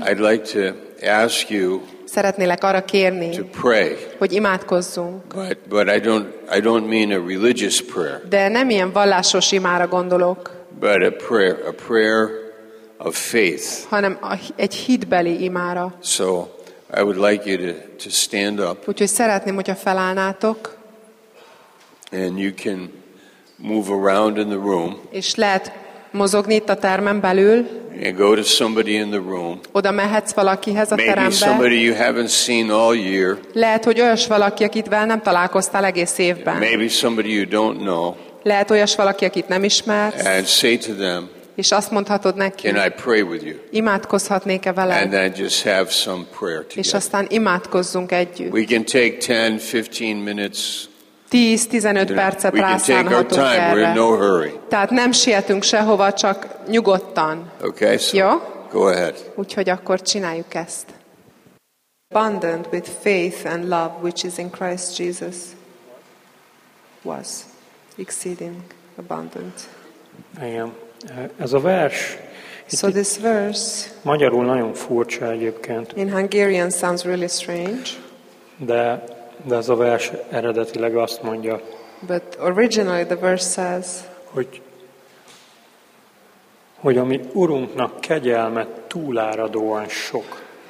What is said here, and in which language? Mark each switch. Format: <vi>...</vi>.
<en>I'd like to ask you.</en> <hu>Szeretnélek arra kérni.</hu> <en>To pray.</en> <hu>Hogy imádkozzunk.</hu> <en>But I don't mean a religious prayer.</en> <hu>De nem ilyen vallásos imára gondolok.</hu> <en>But a prayer of faith.</en> <hu>Hanem egy hitbeli imára.</hu> <en>So I would like you to stand up.</en> <hu>Úgyhogy szeretném, hogyha felállnátok.</hu> <en>And you can move around in the room.</en> <hu>És lehet mozogni itt a termen belül.</hu> <en>And go to somebody in the room.</en> <hu>Oda mehetsz valakihez a terembe.</hu> <en>Maybe somebody you haven't seen all year.</en> <hu>Lehet, hogy olyas valaki, akit vele nem találkoztál egész évben.</hu> <en>Maybe somebody you don't know.</en> <hu>Lehet olyas valaki, akit nem ismersz.</hu> <en>And say to them.</en> <hu>És azt mondhatod neki.</hu> <en>Can I pray with you?</en> <hu>Imádkozhatnék-e veled?</hu> <en>And then just have some prayer together.</en> <hu>És aztán imádkozzunk együtt.</hu> <en>We can take 10-15 minutes.</en> <hu>10-15 percet rászánhatunk erre.</hu> <en>No hurry.</en> <hu>Tehát nem sietünk sehova, csak nyugodtan.</hu> <en>Okay, so</en> <hu>jó?</hu> <en>Go ahead.</en> <hu>Úgyhogy akkor csináljuk ezt.</hu> <en>Abundant with faith and love which is in Christ Jesus was exceeding abundant.</en> <hu>Igen. Ez a vers.</hu> <en>So this verse.</en> <hu>Magyarul nagyon furcsa egyébként.</hu> <en>In Hungarian sounds really strange.</en> <hu>De ez a vers eredetileg azt mondja.</hu> <en>But originally the verse says.</en> <hu>Hogy a mi Urunknak kegyelme túláradóan sok.</hu>